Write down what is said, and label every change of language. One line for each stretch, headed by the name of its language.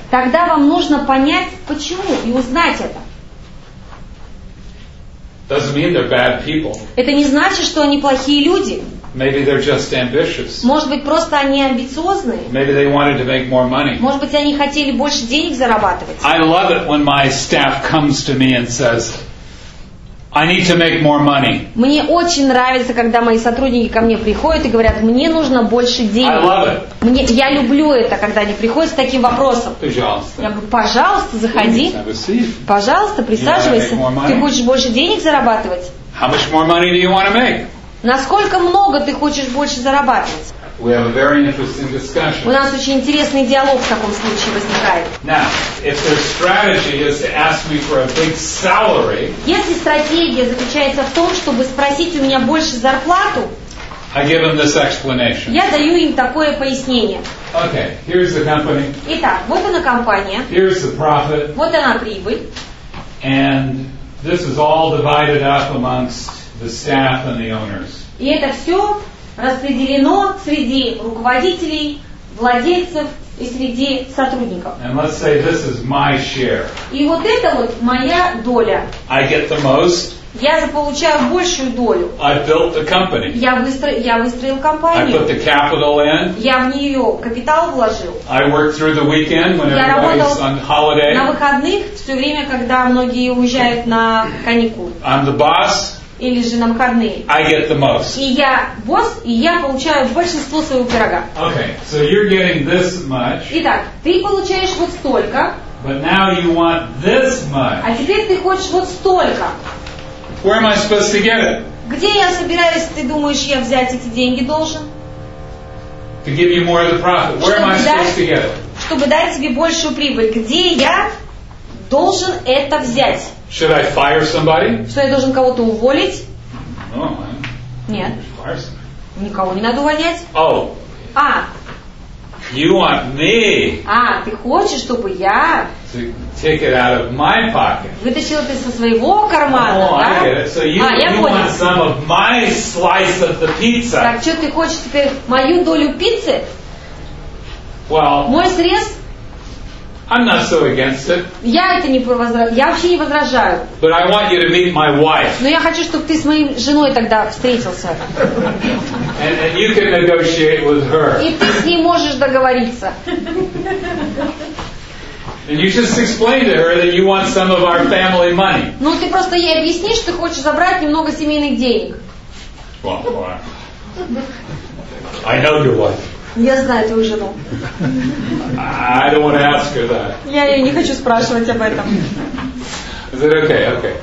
Russian: Тогда вам нужно понять почему и узнать это.
English: Doesn't mean they're bad people.
Russian: Это не значит, что они плохие люди.
English: Maybe they're just ambitious.
Russian: Может быть, просто они амбициозные.
English: Maybe they wanted to make more money.
Russian: Может быть, они хотели больше денег зарабатывать.
English: I love it when my staff comes to me and says, I need to make more money.
Russian: Мне очень нравится, когда мои сотрудники ко мне приходят и говорят, мне нужно больше денег.
English: I love it.
Russian: Мне, я люблю это, когда они приходят с таким вопросом. Пожалуйста. Я говорю, пожалуйста, заходи. Пожалуйста, присаживайся. Ты хочешь больше денег зарабатывать?
English: How much more money do you want to make?
Russian: Насколько много ты хочешь больше зарабатывать?
English: We have a very interesting discussion.
Russian: У нас очень интересный диалог в таком случае возникает.
English: Now, if their strategy is to ask me for a big salary,
Russian: если стратегия заключается в том, чтобы спросить у меня больше зарплату,
English: I give them this explanation.
Russian: Я даю им такое пояснение.
English: Okay, here's the company.
Russian: Итак, вот она компания.
English: Here's the profit.
Russian: Вот она прибыль.
English: And this is all divided up amongst the staff and the owners.
Russian: И это все распределено среди руководителей, владельцев и среди сотрудников.
English: And let's say this is my share.
Russian: И вот это вот моя доля.
English: I get the most.
Russian: Я получаю большую долю.
English: I built the company.
Russian: Я выстроил компанию.
English: I put the capital in.
Russian: Я в нее капитал вложил.
English: I worked through the weekend when everybody's on holiday.
Russian: Я работал на выходных все время, когда многие уезжают на каникулы.
English: I'm the boss.
Russian: Или же на выходные.
English: I get the most.
Russian: И я босс, и я получаю большинство своего пирога.
English: Okay, so you're getting this much.
Russian: Итак, ты получаешь вот столько.
English: But now you want this much.
Russian: А теперь ты хочешь вот столько.
English: Where am I supposed to get it?
Russian: Где я собираюсь, ты думаешь, я взять эти деньги должен?
English: To give you more of the profit. Where am I supposed to get it?
Russian: Чтобы дать тебе большую прибыль. Где я должен это взять?
English: Should I fire somebody?
Russian: Что я должен кого-то уволить?
English: No,
Russian: нет. Никого не надо увольнять. Oh. А.
English: You want me?
Russian: А, ты хочешь, чтобы я?
English: To take it out of my pocket.
Russian: Вытащил это со своего кармана, oh, да?
English: I get it. So you
Russian: понял.
English: Want some of my slice of the pizza?
Russian: Так что ты хочешь теперь мою долю пиццы?
English: Well.
Russian: Мой срез?
English: I'm not so against it.
Russian: Я это не возражаю. Я вообще не возражаю.
English: But I want you to meet my wife.
Russian: Но я хочу, чтобы ты с моей женой тогда встретился.
English: And you can negotiate with her.
Russian: И ты с ней можешь договориться.
English: And you just explain to her that you want some of our family money.
Russian: Ну ты просто ей объяснишь, что хочешь забрать немного семейных денег.
English: Well, I know your wife.
Russian: Я знаю твою жену.
English: I don't want to ask her that.
Russian: Я ее не хочу спрашивать об этом.
English: Is it okay? Okay.